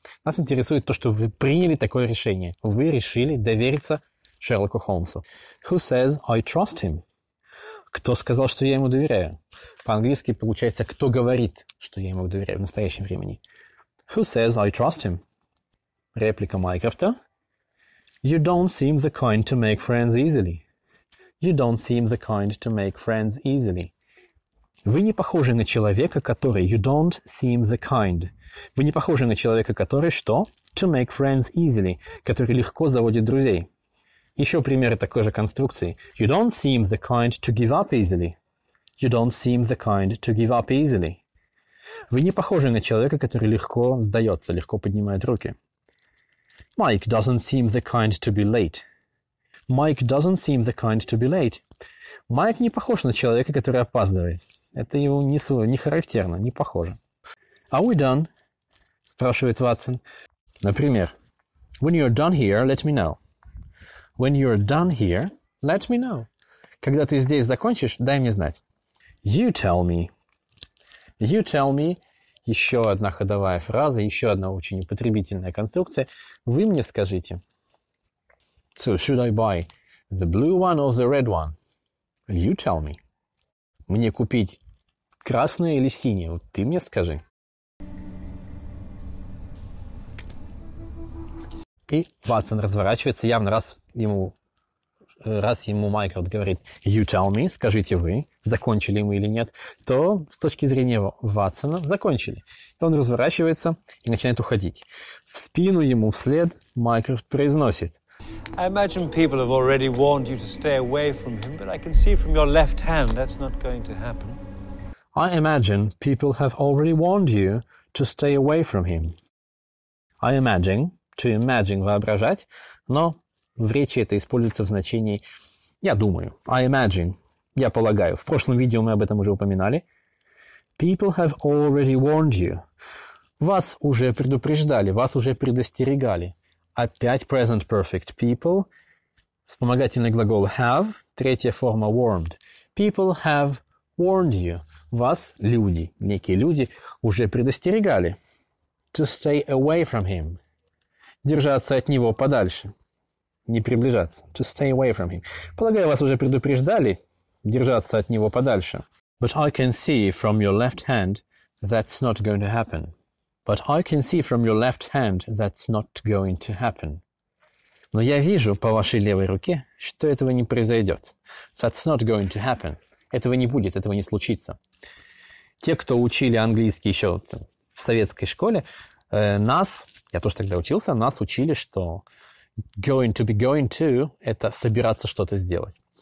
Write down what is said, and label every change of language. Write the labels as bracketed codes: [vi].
[ru] Нас интересует то, что вы приняли такое решение. Вы решили довериться Шерлоку Холмсу. [en] Who says I trust him? [ru] Кто сказал, что я ему доверяю? По-английски получается, кто говорит, что я ему доверяю в настоящем времени. [en] Who says I trust him? [ru] Реплика Майкрофта. [en] You don't seem the kind to make friends easily. You don't seem the kind to make friends easily. [ru] Вы не похожи на человека, который... [en] You don't seem the kind... [ru] Вы не похожи на человека, который что? [en] To make friends easily, [ru] который легко заводит друзей. Еще примеры такой же конструкции. [en] You don't seem the kind to give up easily. You don't seem the kind to give up easily. [ru] Вы не похожи на человека, который легко сдается, легко поднимает руки. [en] Mike doesn't seem the kind to be late. Mike doesn't seem the kind to be late. [ru] Майк не похож на человека, который опаздывает. Это его не характерно, не похоже. [en] Are we done? [ru] Спрашивает Ватсон. Например, [en] when you're done here, let me know. When you're done here, let me know. [ru] Когда ты здесь закончишь, дай мне знать. [en] You tell me. You tell me. [ru] Еще одна ходовая фраза, еще одна очень употребительная конструкция. Вы мне скажите. [en] So, should I buy the blue one or the red one? You tell me. [ru] Мне купить красное или синее? Вот ты мне скажи. И Ватсон разворачивается, явно раз ему Майкрофт говорит [en] «You tell me», [ru] скажите вы, закончили мы или нет, то с точки зрения Ватсона закончили. И он разворачивается и начинает уходить. В спину ему вслед Майкрофт произносит [en] «I imagine people have already warned you to stay away from him, but I can see from your left hand that's not going to happen». «I imagine people have already warned you to stay away from him». «I imagine». [ru] To imagine, воображать, но в речи это используется в значении «я думаю», «I imagine», «я полагаю». В прошлом видео мы об этом уже упоминали. [en] People have already warned you. [ru] Вас уже предупреждали, вас уже предостерегали. Опять present perfect. People, вспомогательный глагол have, третья форма warned. [en] People have warned you. [ru] Вас, люди, некие люди, уже предостерегали. [en] To stay away from him. [ru] Держаться от него подальше. Не приближаться. [en] To stay away from him. [ru] Полагаю, вас уже предупреждали держаться от него подальше. [en] But I can see from your left hand that's not going to happen. But I can see from your left hand that's not going to happen. [ru] Но я вижу по вашей левой руке, что этого не произойдет. [en] That's not going to happen. [ru] Этого не будет, этого не случится. Те, кто учили английский еще в советской школе, нас... Я тоже тогда учился, нас учили, что going to be going to — это собираться что-то сделать.